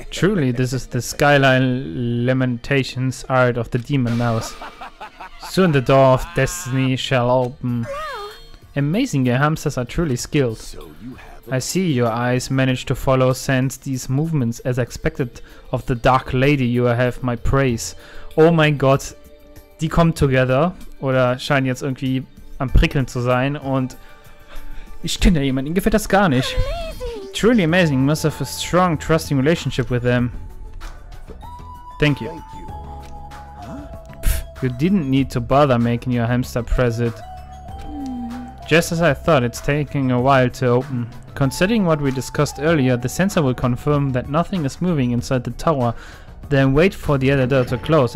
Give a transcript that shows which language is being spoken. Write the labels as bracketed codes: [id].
[en] Truly, this is the skyline lamentations art of the demon mouse. Soon the door of destiny shall open. Amazing, your hamsters are truly skilled. I see your eyes manage to follow sense these movements as expected of the dark lady. You have my praise. Oh my god, [de] die kommen together oder scheinen jetzt irgendwie am prickeln zu sein und ich kenne ja jemanden, ihm gefällt das gar nicht. [en] Truly amazing, you must have a strong, trusting relationship with them. Thank you. Pff, you didn't need to bother making your hamster present. Just as I thought, it's taking a while to open. Considering what we discussed earlier, the sensor will confirm that nothing is moving inside the tower, then wait for the other door to close.